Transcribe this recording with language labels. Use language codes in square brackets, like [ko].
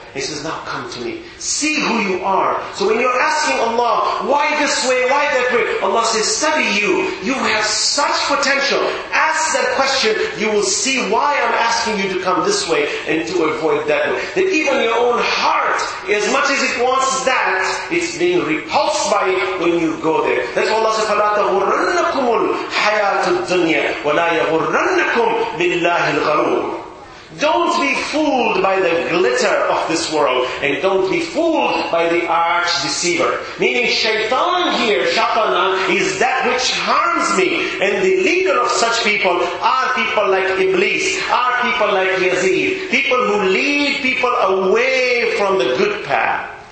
[en] He says, now come to me. See who you are. So when you're asking Allah, why this way, why that way? Allah says, study you. You have such potential. Ask that question. You will see why I'm asking you to come this way and to avoid that way. That even your own heart, as much as it wants that, it's being repulsed by it when you go there. That's why Allah says, [ar] فَلَا تَغُرَّنَّكُمُ الْحَيَاةُ الدُّنْيَا وَلَا يَغُرَّنَّكُمْ بِاللَّهِ الْغَرُورِ. [en] Don't be fooled by the glitter of this world, and don't be fooled by the arch deceiver. Meaning shaitan here, shatana, is that which harms me. And the leader of such people are people like Iblis, are people like Yazid, people who lead people away from the good path.